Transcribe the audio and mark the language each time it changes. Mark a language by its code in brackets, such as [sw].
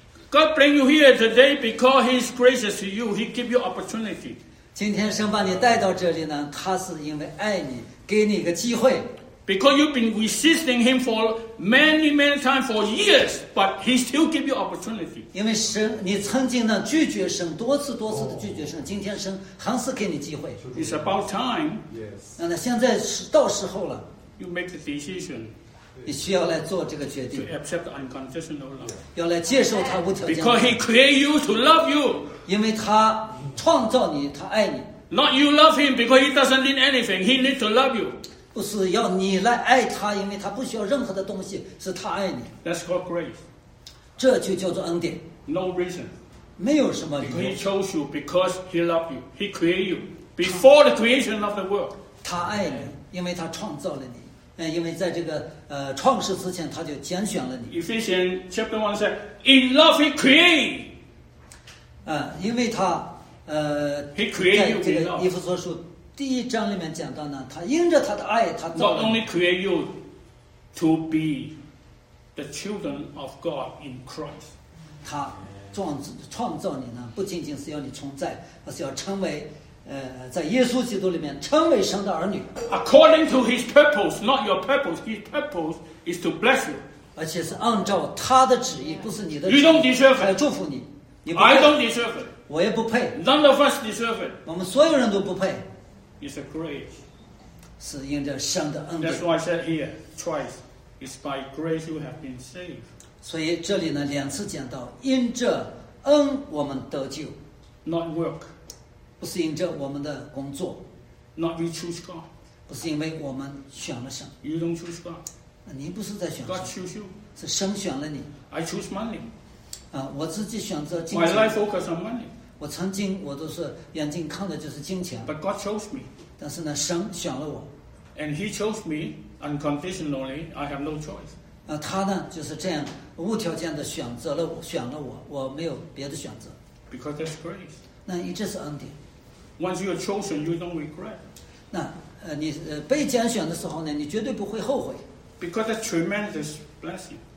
[en] God bring you here today because He's gracious to you. He give you opportunity. [zh] 今天神把你带到这里呢，他是因为爱你，给你一个机会。 [en] Because you've been resisting him for many, many times for years, but he still gives you opportunity. [zh] 因为神，你曾经呢拒绝神多次多次的拒绝神，今天神还是给你机会。 [en] It's about time. Yes. [zh] 那现在是到时候了。 [en] You make the decision. [zh] 你需要来做这个决定。 [en] To accept unconditional love. [zh] 要来接受他无条件。 [en] Because he created you to love you. [zh] 因为他创造你，他爱你。 [en] Not you love him because he doesn't need anything. He needs to love you. [zh] 不是要你来爱他，因为他不需要任何的东西，是他爱你。 [en] That's called grace. [zh] 这就叫做恩典。 [en] No reason. [zh] 没有什么理由。 [en] He chose you because he loved you. He created you before the creation of the world. [zh] 他爱你，因为他创造了你。因为在这个创世之前，他就拣选了你。 [en] Ephesians chapter 1 says, "In love he created." [zh] 因为他 [en] He created you in love. [zh] 以弗所书第一章里面讲到呢，他因着他的爱，他造了。 [en] Not only create you to be the children of God in Christ. [zh] 他创造你呢，不仅仅是要你存在，而是要成为在耶稣基督里面成为神的儿女。 [en] According to His purpose, not your purpose. His purpose is to bless you. [zh] 而且是按照他的旨意，不是你的旨意。 [en] You don't deserve it. [zh] 来祝福你。 [en] I don't deserve it. [zh] 我也不配。 [en] None of us deserve it. [zh] 我们所有人都不配。 [en] It's a grace. [zh] 是因着神的恩典。 [en] That's why I said here twice. It's by grace you have been saved. [zh] 所以这里呢两次讲到，因着恩我们得救。 [en] Not work. [zh] 不是因着我们的工作。 [en] Not we choose God. [zh] 不是因为我们选了神。 [en] You don't choose God. [zh] 你不是在选神， [en] God choose you. [zh] 是神选了你。 [en] I choose money. [zh] 啊，我自己选择金钱。 [en] My life focus on money. [zh] 我曾经我都是眼睛看的就是金钱。 [en] But God chose me. [zh] 但是呢，神选了我。 [en] And He chose me unconditionally. I have no choice. [zh] 啊，他呢就是这样无条件的选择了我，选了我，我没有别的选择。 [en] Because that's grace. [zh] 那一直是恩典。 [en] Once you are chosen, you don't regret. [zh] 那你被拣选的时候呢，你绝对不会后悔。 [en] Because it's tremendous blessing.